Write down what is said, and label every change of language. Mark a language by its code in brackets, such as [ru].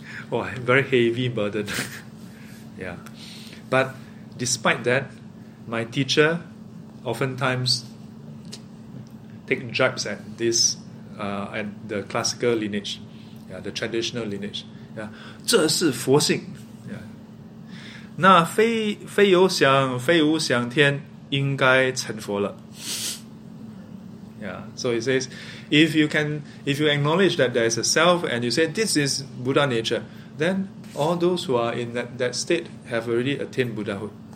[en] Oh, very heavy burden. Yeah. But despite that, my teacher oftentimes take jibes at this, at the classical lineage, yeah, the traditional lineage. [zh] Yeah. 这是佛性.Yeah. 那非有想非无想天, 应该成佛了. [en] Yeah, so he says, if you acknowledge that there is a self and you say this is Buddha nature, then all those who are in that state have already attained Buddhahood.